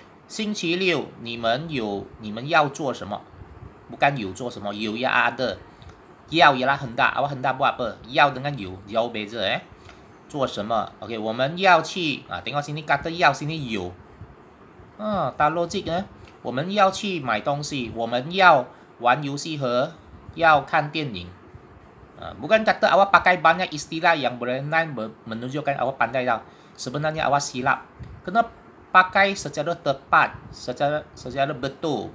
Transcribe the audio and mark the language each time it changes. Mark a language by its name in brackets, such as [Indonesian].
[Chinese] 星期六, 你们有, 你们要做什么? [Malay] Bukan [Chinese] 有做什么, [Malay] 有 ya ada. 要 ialah hendak, awak hendak buat apa? 要 dengan 有, jauh beza eh. [Chinese] 做什么? Okay, 我们要去, [Malay] tengok sini kata [Chinese] 要, [Malay] sini [Chinese] 有. [Malay] Tak logik eh. [Chinese] 我们要去买东西, 我们要玩游戏盒, 要看电影. [Malay] Bukan kata awak pakai banyak istilah yang berlainan menunjukkan awak pandai tau. Sebenarnya awak silap. Kena pakai secara tepat, secara betul.